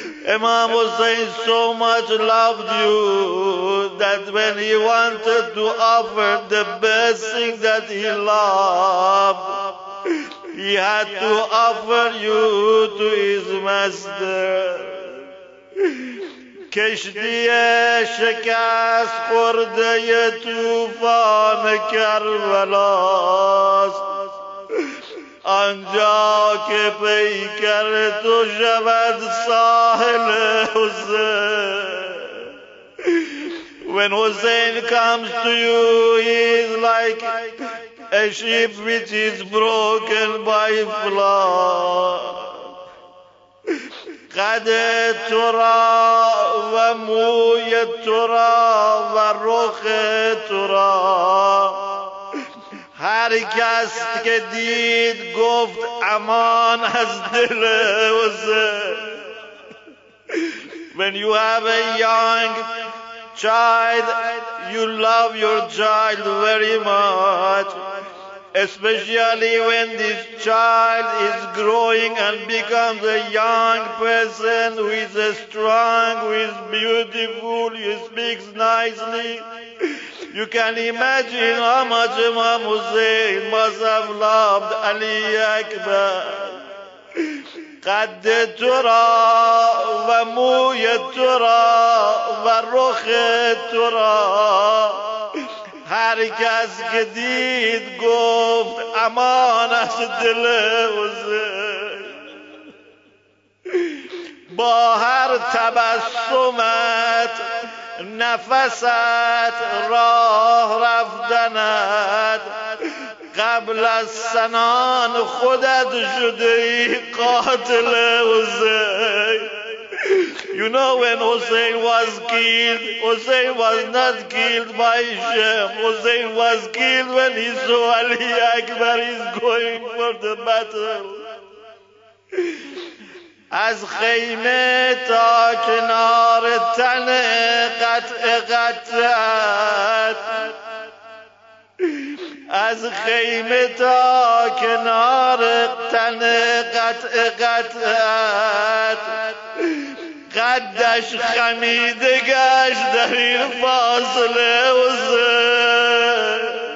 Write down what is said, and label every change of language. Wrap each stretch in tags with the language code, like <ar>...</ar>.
<en>Imam Hussein so much loved you that when he wanted to offer the best thing that he loved, he had to offer you to his master.</en> <fa>کشتی شکست خورده طوفان کربلا است، آنجا که پیکر تو شود ساحل حسین.</fa> <en>When Hussein comes to you, he is like a ship which is broken by flood.</en> <fa>قد تو را و موی تو را و رخ تو را هر کس که دید گفت امان از دل حسین.</fa> <en>When you have a young child, you love your child very much, especially when this child is growing and becomes a young person who is strong, who is beautiful, who speaks nicely. You can imagine how much Imam Hussein must have loved Ali Akbar.</en> <fa>قد تو را و موی تو را و رخ تو را هر کس که دید گفت امان از دل حسین با هر تبسمت نفست راه رفتند قبل از سنان خودت شده ای قاتل حسین.</fa> <en>You know when Hussein was killed, Hussein was not killed by Shem. Hussein was killed when he saw Ali Akbar is going for the battle.</en> <fa>از خیمه تا کنار تن قطعه قطعت از خیمه تا کنار تن قطع قطع قدش خمیده گشت در این فاصله حسین.</fa>